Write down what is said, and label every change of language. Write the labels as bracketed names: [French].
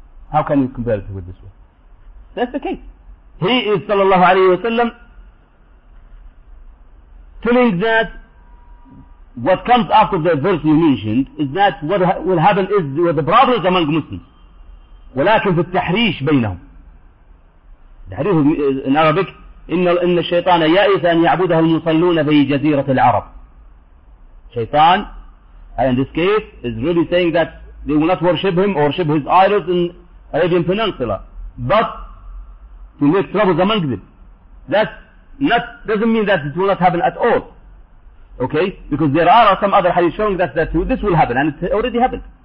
[English] How can you compare it with this one? That's the case. He is, sallallahu alayhi wa sallam, telling that what comes after the verse you mentioned is that what will happen is the problems among Muslims. [Arabic] ولكن في التحريش بينهم. [English] The hadith in Arabic, [Arabic] إن الشيطان يائس أن يعبده المصلون في جزيرة العرب. [English] شيطان, and in this case, is really saying that they will not worship him or worship his idols in [Arabic] أريد أن تنقل [English] but to make troubles among them. That doesn't mean that it will not happen at all. Okay? Because there are some other hadith showing that, this will happen, and it already happened.